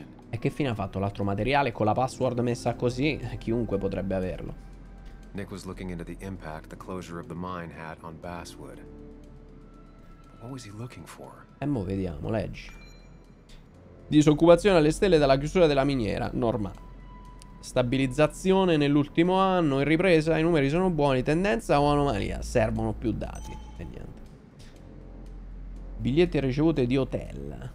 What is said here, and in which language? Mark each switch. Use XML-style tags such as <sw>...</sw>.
<it>E che fine ha fatto l'altro materiale con la password messa così? Chiunque potrebbe averlo.</it> <en>Nick was looking into the impact the closure of the mine had on Basswood. What was he looking for?</en> <it>Mo vediamo, leggi. Disoccupazione alle stelle dalla chiusura della miniera, normale. Stabilizzazione nell'ultimo anno, in ripresa, i numeri sono buoni, tendenza o anomalia? Servono più dati. E niente. Biglietti ricevuti di hotel.</it>